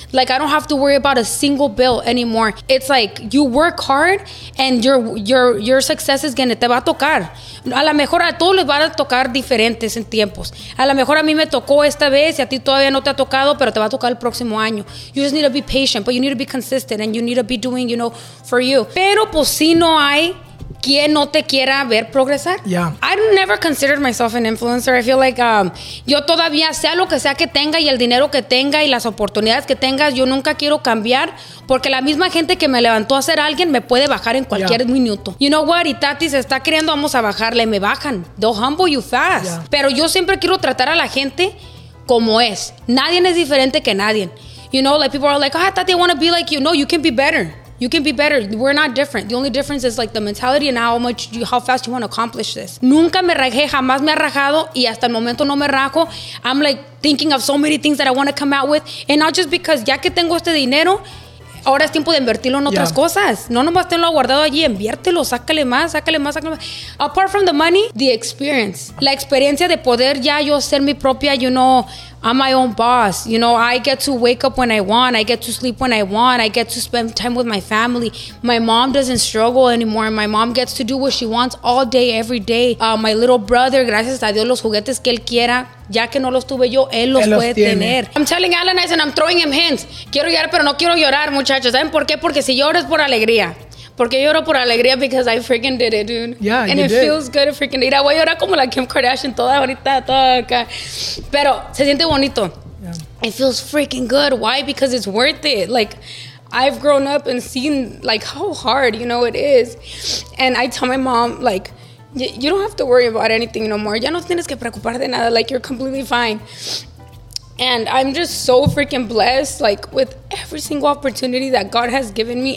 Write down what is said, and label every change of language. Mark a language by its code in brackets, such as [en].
[en] Like, I don't have to worry about a single bill anymore. It's like, you work hard and your success is gonna, [es] te va a tocar. A lo mejor a todos les va a tocar diferentes en tiempos. A lo mejor a mí me tocó esta vez y a ti todavía no te ha tocado, pero te va a tocar el próximo año. [en] You just need to be patient, but you need to be consistent and you need to be doing, you know, for you. [es] Pero pues si no hay quien no te quiera ver progresar. [en] Yeah. I never considered myself an influencer. I feel like [es] yo todavía, sea lo que sea que tenga y el dinero que tenga y las oportunidades que tengas, yo nunca quiero cambiar porque la misma gente que me levantó a ser alguien me puede bajar en cualquier minuto. [en] You know what? [es] Y Tati se está creyendo, vamos a bajarle. Me bajan. [en] They'll humble you fast. Yeah. [es] Pero yo siempre quiero tratar a la gente como es. Nadie es diferente que nadie. [en] You know, like people are like, Tati, I want to be like you. No, you can be better. You can be better. We're not different. The only difference is like the mentality and how fast you want to accomplish this. [es] Nunca me rajé, jamás me ha rajado y hasta el momento no me rajo. [en] I'm like thinking of so many things that I want to come out with. And not just because [es] ya que tengo este dinero, ahora es tiempo de invertirlo en otras cosas. No nomás tenlo guardado allí, inviértelo, sácale más. [en] Apart from the money, the experience. [es] La experiencia de poder ya yo ser mi propia, [en] you know, I'm my own boss. You know, I get to wake up when I want. I get to sleep when I want. I get to spend time with my family. My mom doesn't struggle anymore. My mom gets to do what she wants all day, every day. My little brother, [es] gracias a Dios, los juguetes que él quiera, ya que no los tuve yo, él los él puede los tiene. Tener. [en] I'm telling Alan, I said, I'm throwing him hints. [es] Quiero llorar, pero no quiero llorar, muchachos. ¿Saben por qué? Porque si lloro es por alegría. Porque lloro por alegría [en] because I freaking did it, dude. Yeah, and you it did. Feels good to freaking did it. [es] Voy a llorar como la Kim Kardashian toda ahorita, toda acá. Pero se siente bonito. [en] Yeah. It feels freaking good. Why? Because it's worth it. Like, I've grown up and seen, like, how hard, you know, it is. And I tell my mom, like, you don't have to worry about anything no more. [es] Ya no tienes que preocupar de nada. [en] Like, you're completely fine. And I'm just so freaking blessed, like, with every single opportunity that God has given me.